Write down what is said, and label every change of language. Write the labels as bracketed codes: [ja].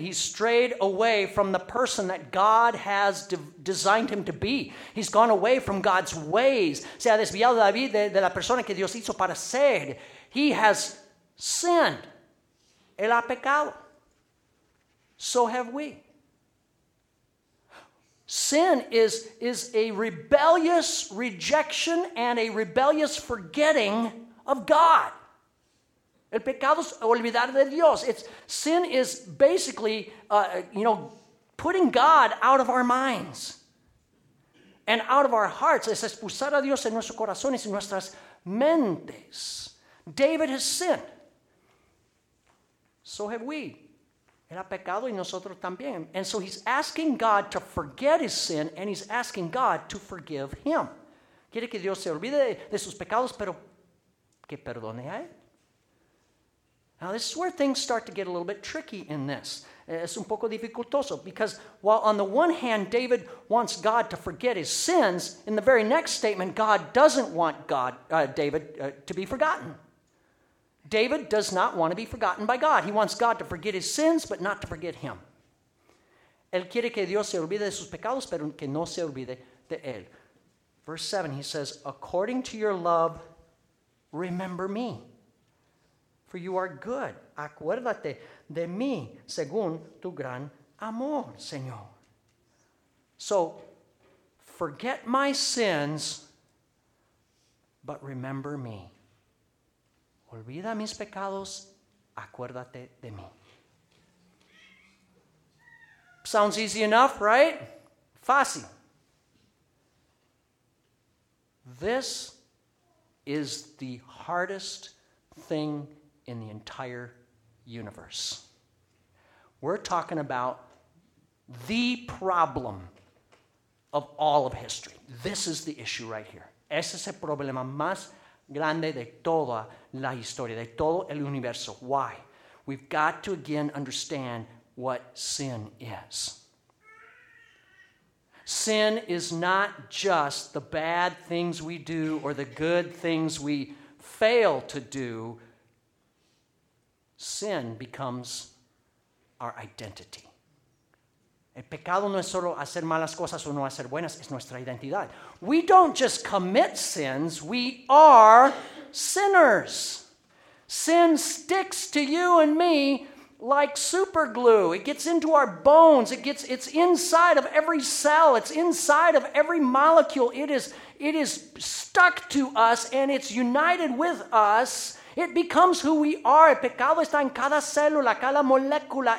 [en] He's strayed away from the person that God has designed him to be. He's gone away from God's ways. [es] Se ha desviado David de la persona que Dios hizo para ser. [en] He has sinned. [es] Él ha pecado. [en] So have we. Sin is a rebellious rejection and a rebellious forgetting of God. [es] El pecado es olvidar de Dios. [en] Sin is basically, putting God out of our minds and out of our hearts. [es] Es expulsar a Dios en nuestros corazones y nuestras mentes. [en] David has sinned. So have we. [es] Él ha pecado y nosotros también. [en] And so he's asking God to forget his sin and he's asking God to forgive him. [es] Quiere que Dios se olvide de sus pecados, pero que perdone a él. [en] Now, this is where things start to get a little bit tricky in this. [es] Es un poco dificultoso, [en] because while on the one hand David wants God to forget his sins, in the very next statement God doesn't want David to be forgotten. David does not want to be forgotten by God. He wants God to forget his sins, but not to forget him. [es] Él quiere que Dios se olvide de sus pecados, pero que no se olvide de él. [en] Verse 7, he says, according to your love, remember me. For you are good. [es] Acuérdate de mí, según tu gran amor, Señor. [en] So, forget my sins, but remember me. [es] Olvida mis pecados, acuérdate de mí. [en] Sounds easy enough, right? [es] Fácil. [en] This is the hardest thing in the entire universe. We're talking about the problem of all of history. This is the issue right here. [es] Ese es el problema más grande de toda la historia, de todo el universo. [en] Why? We've got to again understand what sin is. Sin is not just the bad things we do or the good things we fail to do. Sin becomes our identity. [es] El pecado no es solo hacer malas cosas o no hacer buenas, es nuestra identidad. [en] We don't just commit sins, we are sinners. Sin sticks to you and me like super glue. It gets into our bones. It's inside of every cell. It's inside of every molecule. It is stuck to us and it's united with us. It becomes who we are. [es] El pecado está en cada célula, cada molécula.